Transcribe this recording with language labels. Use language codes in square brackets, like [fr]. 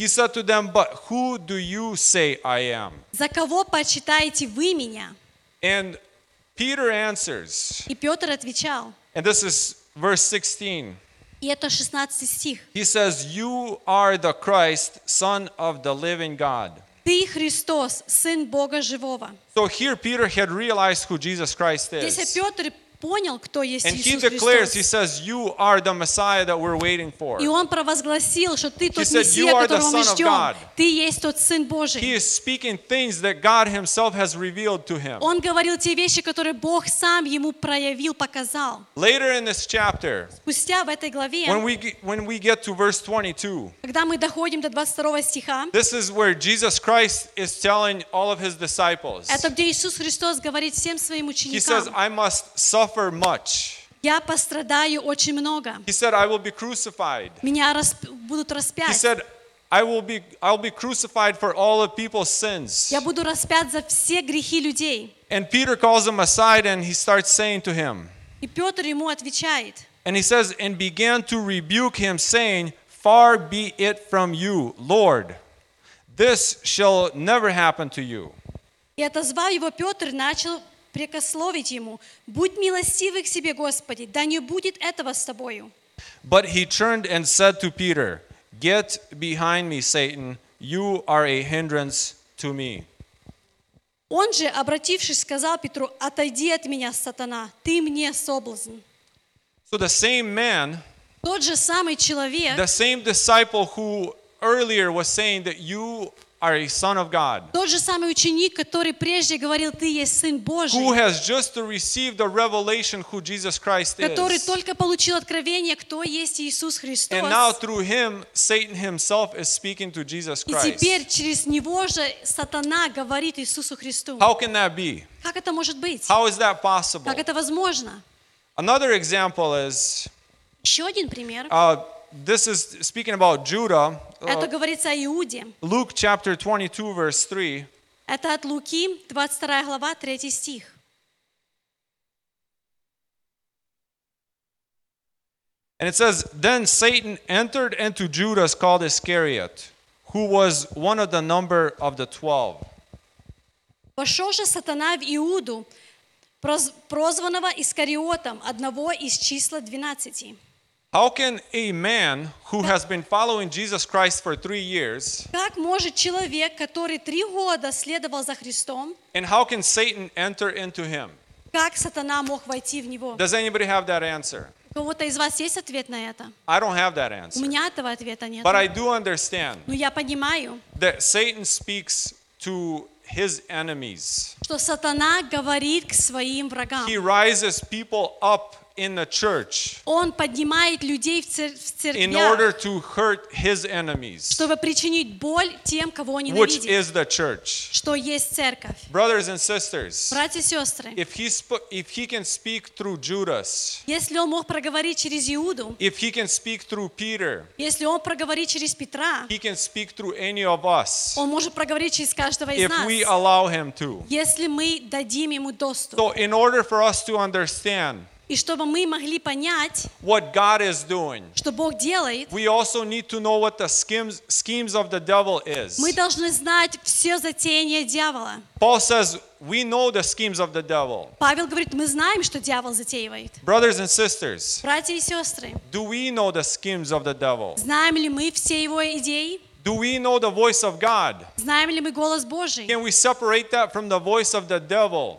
[en] He said to them, "But who do you say I am?" [ru] За кого почитаете вы меня? [en] And Peter answers. [ru] И Петр отвечал. [en] And this is verse 16. [ru] И это 16 стих. [en] He says, "You are the Christ, Son of the Living God." [ru] Ты Христос, сын Бога живого. [en] So here Peter had realized who Jesus Christ is. [ru] Здесь Петр понял, кто есть Иисус Христос. [en] And he declares, he says, "You are the Messiah that we're waiting for." [ru] И он провозгласил, что ты тот Мессия, которого мы ждем. Ты есть тот сын Божий. [en] He is speaking things that God Himself has revealed to him. [ru] Он говорил те вещи, которые Бог сам ему проявил, показал. [en] Later in this chapter, [ru] спустя в этой главе, [en] when we get to verse 22, [ru] когда мы доходим до 22 стиха, [en] this is where Jesus Christ is telling all of His disciples. [ru] Это где Иисус Христос говорит всем своим ученикам. [en] He says, "I must suffer much." [ru] Я пострадаю очень много. [en] He said, "I will be crucified." [ru] Меня будут распять. [en] He said, I'll be crucified for all of people's sins." [ru] Я буду распят за все грехи людей. [en] And Peter calls him aside and he starts saying to him. [ru] И Петр ему отвечает. [en] And he says, and began to rebuke him, saying, "Far be it from you, Lord. This shall never happen to you." [ru] И отозвал его Петр, начал прикословить ему, будь милостивый к себе, Господи, да не будет этого с тобою. [en] But he turned and said to Peter, "Get behind me, Satan, you are a hindrance to me." [ru] Он же, обратившись, сказал Петру, отойди от меня, сатана, ты мне соблазн. [en] So the same man, [ru] тот же самый человек, [en] the same disciple who earlier was saying that you are a son of God. [ru] Тот же самый ученик, который прежде говорил, ты есть сын Божий. [en] Who has just received the revelation who Jesus Christ is. [ru] Который только получил откровение, кто есть Иисус Христос. [en] And now through him, Satan himself is speaking to Jesus Christ. [ru] И теперь через него же сатана говорит Иисусу Христу. [en] How can that be? [ru] Как это может быть? [en] How is that possible? [ru] Как это возможно? [en] Another example is. [ru] Еще один пример. [en] This is speaking about Judah. [ru] Это говорится о Иуде. [en] Luke chapter 22 verse 3. [ru] Это от Луки, 22 глава, 3 стих. [en] And it says, "Then Satan entered into Judas called Iscariot, who was one of the number of the 12." [ru] Вошел же сатана в Иуду, прозванного Искариотом, одного из числа 12. [en] How can a man who has been following Jesus Christ for 3 years? [ru] Как может человек, который 3 года следовал за Христом? [en] And how can Satan enter into him? [ru] Как сатана мог войти в него? [en] Does anybody have that answer? [ru] У кого-то из вас есть ответ на это? [en] I don't have that answer. [ru] У меня этого ответа нет. [en] But I do understand. [ru] Но я понимаю. [en] That Satan speaks to his enemies. [ru] Что сатана говорит к своим врагам. [en] He rises people up in the church. [ru] Он поднимает людей в церквях. [en] In order to hurt his enemies. [ru] Чтобы причинить боль тем, кого они ненавидят. [en] Which is the church. [ru] Что есть церковь. [en] Brothers and sisters. [ru] Братья и сестры. [en] If he can speak through Judas. [ru] Если он мог проговорить через Иуду. [en] If he can speak through Peter. [ru] Если он проговорит через Петра. [en] He can speak through any of us. [ru] Он может проговорить через каждого из нас. [en] If we allow him to. [ru] Если мы дадим ему доступ. [en] So in order for us to understand. [ru] И чтобы мы могли понять, [en] what God is doing, [ru] что Бог делает, [en] we also need to know what the schemes of the devil is. [ru] Мы должны знать все затеяния дьявола. [en] Paul says, we know the schemes of the devil. [ru] Павел говорит, мы знаем, что дьявол затеивает. [en] Brothers and sisters, [ru] братья и сестры, [en] do we know the schemes of the devil? [ru] Знаем ли мы все его идеи? [en] Do we know the voice of God? [ru] Знаем ли мы голос Божий? [en] Can we separate that from the voice of the devil?